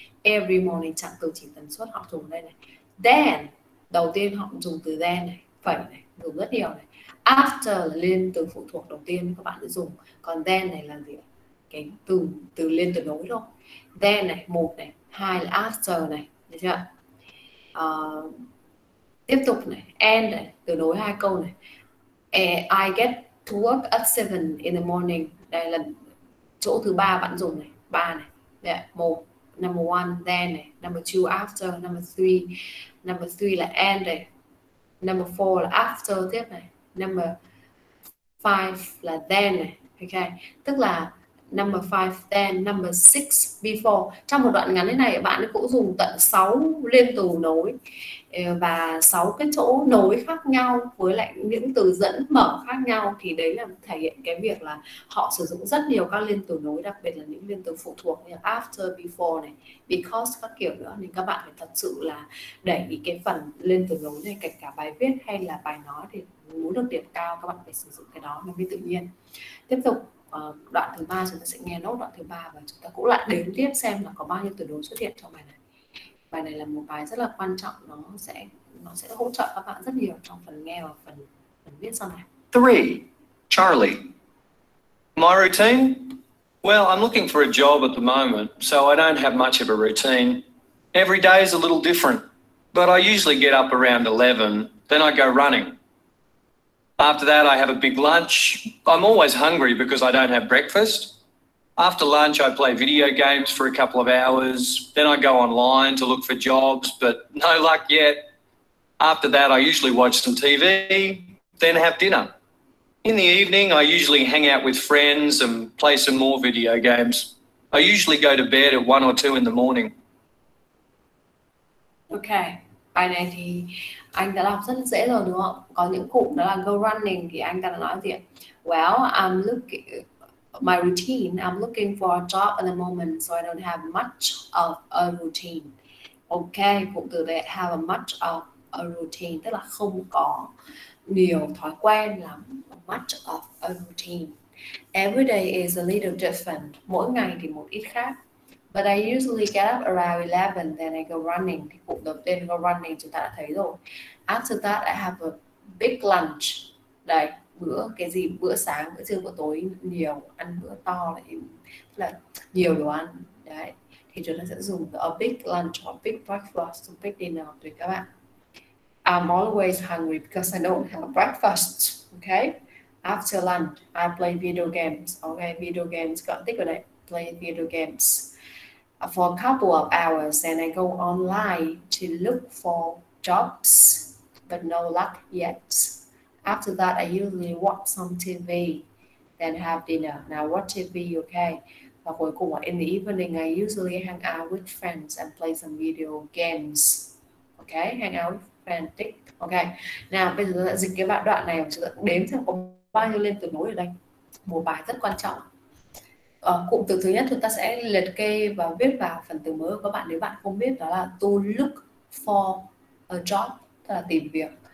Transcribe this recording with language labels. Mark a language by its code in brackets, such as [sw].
[en] Every morning, [vi] trạng từ chỉ tần suất họ dùng đây này. Then, đầu tiên họ dùng từ then này, phải này, dùng rất nhiều này. After là liên từ phụ thuộc đầu tiên các bạn sẽ dùng, còn then này là gì? Cái từ liên từ nối thôi. Then này, một này, hai là after này, được chưa? Tiếp tục này, and này, từ nối hai câu này. [en] I get to work at 7 in the morning. [vi] Đây là chỗ thứ ba bạn dùng này, ba này. Đây, một, [en] number one, [vi] then này, [en] number two, [vi] after, [en] number three [vi] là and này, [en] number four [vi] là after tiếp này. [en] Number 5 là then này, okay. [vi] Tức là [en] number 5, then, number 6, before. [vi] Trong một đoạn ngắn thế này, bạn cũng dùng tận 6 liên từ nối và 6 cái chỗ nối khác nhau với lại những từ dẫn mở khác nhau. Thì đấy là thể hiện cái việc là họ sử dụng rất nhiều các liên từ nối, đặc biệt là những liên từ phụ thuộc như after, before, này, because, các kiểu nữa. Nên các bạn phải thật sự là để ý cái phần liên từ nối này, kể cả bài viết hay là bài nói thì muốn được điểm cao các bạn phải sử dụng cái đó nó mới tự nhiên. Tiếp tục đoạn thứ ba, chúng ta sẽ nghe nốt đoạn thứ ba và chúng ta cũng lại đếm tiếp xem là có bao nhiêu từ đối xuất hiện trong bài này. Bài này là một bài rất là quan trọng, nó sẽ hỗ trợ các bạn rất nhiều trong phần nghe và phần viết sau này. [en] 3. Charlie. My routine? Well, I'm looking for a job at the moment, so I don't have much of a routine. Every day is a little different, but I usually get up around 11, then I go running. After that, I have a big lunch. I'm always hungry because I don't have breakfast. After lunch, I play video games for a couple of hours. Then I go online to look for jobs, but no luck yet. After that, I usually watch some TV, then have dinner. In the evening, I usually hang out with friends and play some more video games. I usually go to bed at 1 or 2 in the morning. Okay. [vi] Bài này thì anh đã đọc rất dễ rồi đúng không? Có những cụm đó là go running thì anh đã nói gì ạ? [en] Well, I'm looking my routine. I'm looking for a job at the moment, so I don't have much of a routine. [vi] Okay, cụm từ đấy [en] have a much of a routine [vi] tức là không có nhiều thói quen lắm. [en] Much of a routine. Every day is a little different. [vi] Mỗi ngày thì một ít khác. [en] But I usually get up around 11, then I go running. [vi] Thì cụm đầu tiên go running chúng ta đã thấy rồi. [en] After that, I have a big lunch. [vi] Đấy, bữa, cái gì, bữa sáng, bữa trưa, bữa tối, nhiều, ăn bữa to là nhiều đồ ăn. Đấy, thì chúng ta sẽ dùng [en] a big lunch or big breakfast or big dinner [vi] tùy các bạn. [en] I'm always hungry because I don't have breakfast, okay? After lunch, I play video games, okay? Video games, các bạn thích rồi đấy, play video games. For a couple of hours, and I go online to look for jobs, but no luck yet. After that, I usually watch some TV, then have dinner. Now, watch TV, okay? [vi] Và cuối cùng, [en] in the evening, I usually hang out with friends and play some video games. Okay, hang out with friends, tick. [vi] Okay, now, bây giờ dịch cái bản đoạn này, chúng ta đếm xem có bao nhiêu lên từ nối ở đây. Một bài rất quan trọng. Cụm từ thứ nhất chúng ta sẽ liệt kê và viết vào phần từ mới của các bạn nếu bạn không biết, đó là [en] to look for a job, [vi] tức là tìm việc.